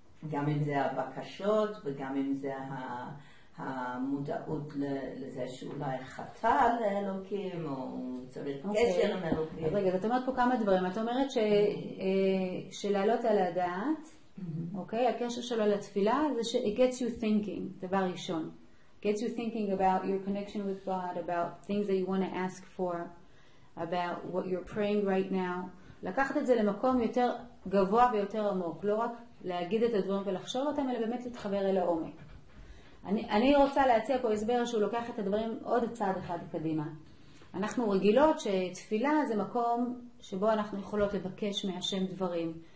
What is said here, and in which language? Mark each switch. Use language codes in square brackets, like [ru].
[he] גם אם זה הבקשות וגם אם זה ה... המודעות לזה שאולי חטא לאלוקים או צריך קשר מאלוקים. אז רגע, את אומרת פה כמה דברים. את אומרת שלעלות על הדעת, אוקיי, הקשר שלו לתפילה זה ש- [en] it gets you thinking, [he] דבר ראשון. [en] Gets you thinking about your connection with God, about things that you want to ask for, about what you're praying right now. [he] לקחת את זה למקום יותר גבוה ויותר עמוק. לא רק להגיד את הדברים ולחשוב אותם, אלא באמת להתחבר אל העומק. אני רוצה להציע פה הסבר שהוא לוקח את הדברים עוד צעד אחד קדימה. אנחנו רגילות שתפילה זה מקום שבו אנחנו יכולות לבקש מהשם דברים.